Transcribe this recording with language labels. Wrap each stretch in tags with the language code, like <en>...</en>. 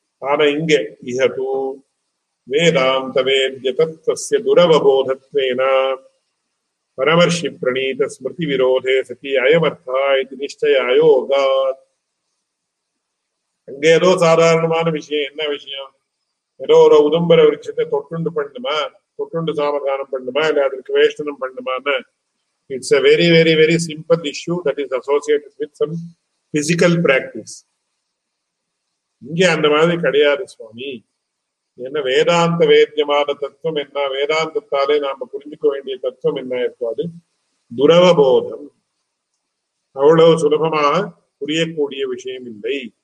<sa>ஆனா இங்கே இஹது வேதாந்த வேத்ய தத்துவஸ்ய துரவபோதத்வேனா பரமர்ஷி பிரணீத ஸ்மிருதி விரோதே சதி அயமர்த்தா இது நிச்சய அயோகா.</sa> <ta>அங்க ஏதோ சாதாரணமான விஷயம், என்ன விஷயம், ஏதோ ஒரு உதம்பர விருட்சத்தை தொட்டுண்டு பண்ணுமா, தொட்டுண்டு சாமதானம் பண்ணுமா, இல்ல அதற்கு வேஷ்டனம் பண்ணுமான்னு.</ta> <en>It's a very, very, very simple issue that is associated with some physical practice.</en> <ta>இங்கே அந்த மாதிரி கிடையாது சுவாமி. என்ன வேதாந்த வேத்தியமான தத்துவம் என்ன, வேதாந்தத்தாலே நாம புரிஞ்சுக்க வேண்டிய தத்துவம் என்ன இருக்காது, துரவபோதம், அவ்வளவு சுலபமாக புரியக்கூடிய விஷயம் இல்லை.</ta>